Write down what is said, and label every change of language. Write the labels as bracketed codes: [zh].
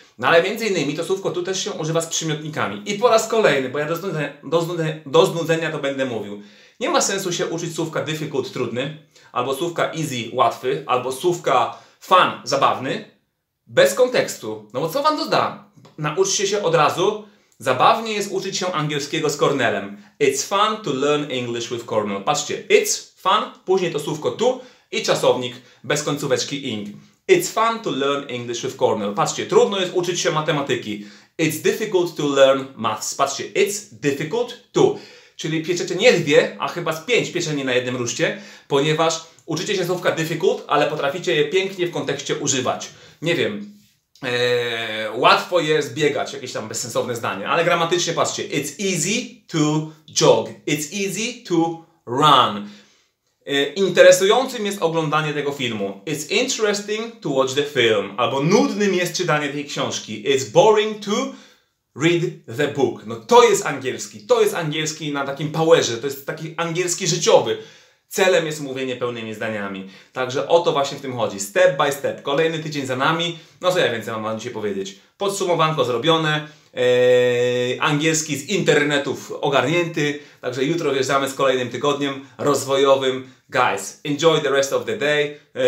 [pl] No ale między innymi to słówko tu też się używa z przymiotnikami. I po raz kolejny, bo ja do znudzenia to będę mówił. Nie ma sensu się uczyć słówka difficult, trudny, albo słówka easy, łatwy, albo słówka fun, zabawny, bez kontekstu. No bo co Wam doda? Nauczcie się od razu. Zabawnie jest uczyć się angielskiego z Cornelem. [en] It's fun to learn English with Cornel. [pl] Patrzcie, [en] it's fun, [pl] później to słówko tu i czasownik bez końcóweczki ing. [en] It's fun to learn English with Cornel. [pl] Patrzcie, trudno jest uczyć się matematyki. [en] It's difficult to learn maths. [pl] Patrzcie, [en] it's difficult to. [pl] Czyli pieczecie nie dwie, a chyba z pięć pieczeni na jednym ruszcie, ponieważ uczycie się słówka difficult, ale potraficie je pięknie w kontekście używać. Nie wiem, łatwo jest biegać, jakieś tam bezsensowne zdanie, ale gramatycznie patrzcie. [en] It's easy to jog. It's easy to run. [pl] Interesującym jest oglądanie tego filmu. [en] It's interesting to watch the film. [pl] Albo nudnym jest czytanie tej książki. [en] It's boring to read the book. [pl] No to jest angielski. To jest angielski na takim powerze. To jest taki angielski życiowy. Celem jest mówienie pełnymi zdaniami. Także o to właśnie w tym chodzi. [en] Step by step. [pl] Kolejny tydzień za nami. No co ja więcej mam Wam dzisiaj powiedzieć? Podsumowanko zrobione. angielski z internetów ogarnięty. Także jutro wjeżdżamy z kolejnym tygodniem rozwojowym. [en] Guys, enjoy the rest of the day.